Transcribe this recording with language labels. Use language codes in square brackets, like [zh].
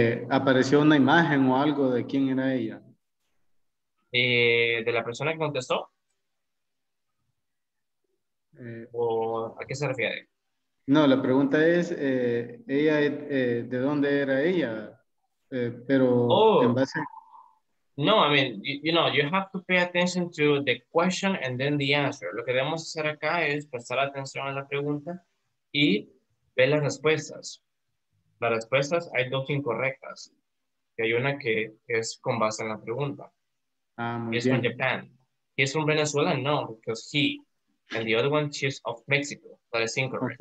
[es] apareció una imagen o algo de quién era ella. De la persona que contestó. ¿O a qué se refiere? No, la pregunta es, ella, ¿de dónde era ella? Pero en base. [en] No, I mean, you know, you have to pay attention to the question and then the answer. [es] Lo que debemos hacer acá es prestar atención a la pregunta y ver las respuestas. Las respuestas, hay dos incorrectas. Y hay una que es con base en la pregunta. [en] He's from Japan. He's from Venezuela? No, because he. And the other one, she's of Mexico. That is incorrect.